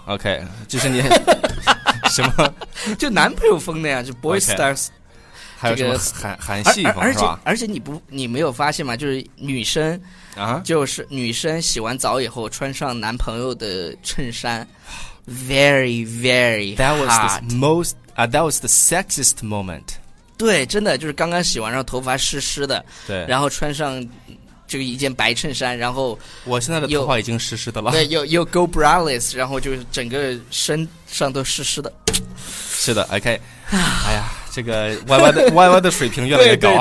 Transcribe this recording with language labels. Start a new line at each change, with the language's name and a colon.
Chinese: OK， 就是你什么就男朋友风那样，就 boy style、 okay. 还有什么韩系风是吧？而且你没有发现吗？就是女生啊，就是女生洗完澡以后穿上男朋友的衬衫 ，
English: very very hot。 That was the most that was the sexiest moment。
Chinese: 对，真的就是刚刚洗完，然后头发湿湿的，对，然后穿上这个一件白衬衫，然后我现在的头发已经湿湿的了，对，又
English: go braless，
Chinese: 然后就整个身上都湿湿的。是的 ，OK， 哎呀。这个歪歪的歪歪的水平越来越高。